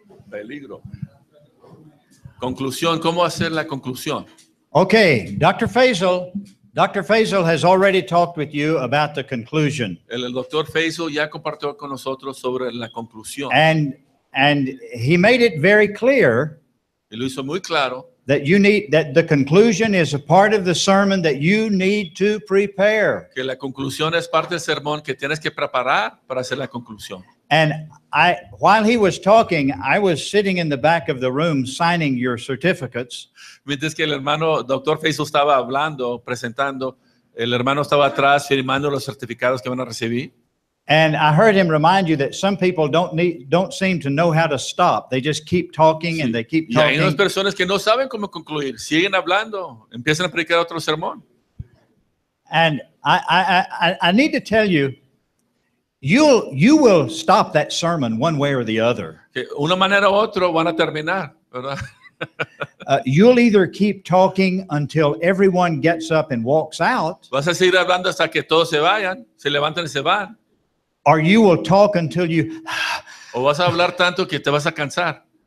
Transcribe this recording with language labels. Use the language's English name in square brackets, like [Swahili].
[Spanish] Peligro. Conclusión. ¿Cómo hacer la conclusión? [English] Okay, Dr. Fasol. Dr. Fasol has already talked with you about the conclusion. [Spanish] El Dr. Fasol ya compartió con nosotros sobre la conclusión. [English] And he made it very clear. [Spanish] Y lo hizo muy claro. [English] That you need, that the conclusion is a part of the sermon that you need to prepare. [Spanish] Que la conclusión es parte del sermón que tienes que preparar para hacer la conclusión. [English] And I, while he was talking, I was sitting in the back of the room signing your certificates. [Spanish] Mientras que el hermano Dr. Faisal estaba hablando, presentando, el hermano estaba atrás firmando los certificados que van a recibir. [English] And I heard him remind you that some people don't seem to know how to stop. They just keep talking and they keep talking. [Spanish] Y hay unas personas que no saben cómo concluir. Siguen hablando. Empiezan a predicar otro sermón. [English] And I need to tell you, you will stop that sermon one way or the other. [Spanish] Una manera u otra van a terminar, ¿verdad? [English] You'll either keep talking until everyone gets up and walks out. [Spanish] Vas a seguir hablando hasta que todos se vayan, se levanten y se van. [English] Or you will talk until you. [Spanish] O vas a hablar tanto que te vas a cansar.